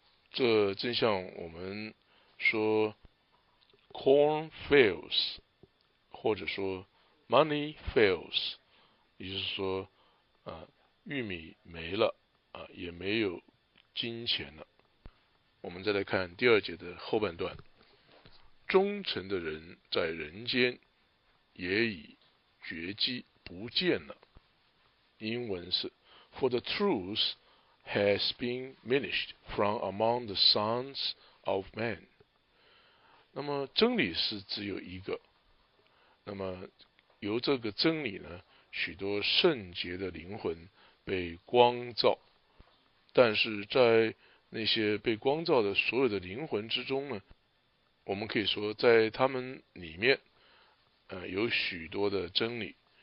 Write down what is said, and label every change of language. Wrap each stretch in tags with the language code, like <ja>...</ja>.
<zh>这正像我们说</zh> <en>corn fails,</en> <zh>或者说</zh> <en>money fails,</en> <zh>也就是说，玉米没了，也没有金钱了。我们再来看第二节的后半段，忠诚的人在人间也已绝迹不见了。英文是</zh> <en>For the truth has been vanished from among the sons of men。</en> <zh>那么真理是只有一个，那么由这个真理呢，许多圣洁的灵魂被光照，但是在那些被光照的所有的灵魂之中呢，我们可以说在他们里面有许多的真理。</zh>